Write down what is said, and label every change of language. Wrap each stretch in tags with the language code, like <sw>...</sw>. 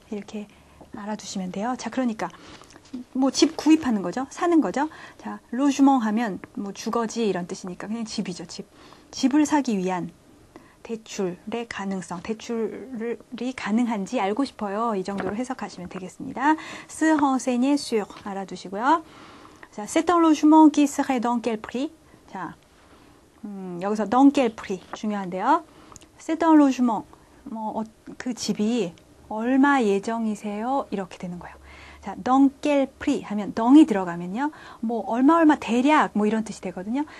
<ko>이렇게 알아두시면 돼요. 자, 그러니까. 뭐 집 구입하는 거죠. 사는 거죠. 자, logement 하면 뭐 주거지 이런 뜻이니까 그냥 집이죠. 집. 집을 사기 위한. 대출의 가능성, 대출이 가능한지 알고 싶어요. 이 정도로 해석하시면 되겠습니다. 스 헌세니 sur 알아두시고요.</ko> <fr>자, c'est un logement qui serait dans quel prix?</fr> <ko>자, 여기서 dans quel prix 중요한데요.</ko> <fr>c'est un logement</fr> <ko>그 집이 얼마 예정이세요? 이렇게 되는 거예요. 자, dans quel prix 하면 dans이 들어가면요. 뭐 얼마 대략 뭐 이런 뜻이 되거든요.</ko>